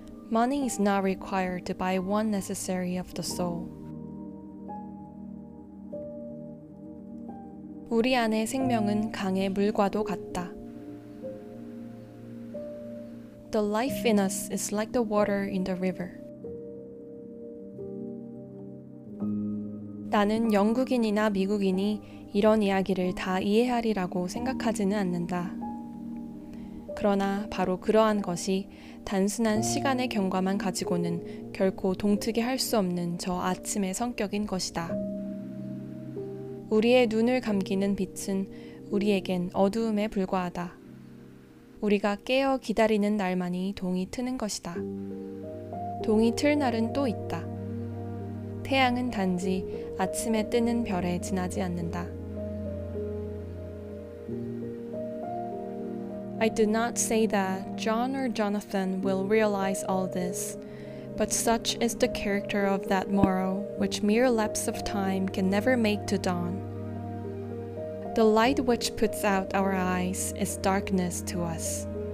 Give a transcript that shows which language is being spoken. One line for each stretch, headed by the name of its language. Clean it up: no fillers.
English: Money is not required to buy one necessary of the soul.
Korean: 우리 안의 생명은 강의 물과도 같다.
English: The life in us is like the water in the river.
Korean: 나는 영국인이나 미국인이 이런 이야기를 다 이해하리라고 생각하지는 않는다. 그러나 바로 그러한 것이 단순한 시간의 경과만 가지고는 결코 동특이 할 수 없는 저 아침의 성격인 것이다. 우리의 눈을 감기는 빛은 우리에겐 어두움에 불과하다. 우리가 깨어 기다리는 날만이 동이 트는 것이다. 동이 틀 날은 또 있다. 태양은 단지 아침에 뜨는 별에 지나지 않는다.
English: I do not say that John or Jonathan will realize all this, but such is the character of that morrow which mere lapse of time can never make to dawn. The light which puts out our eyes is darkness to us.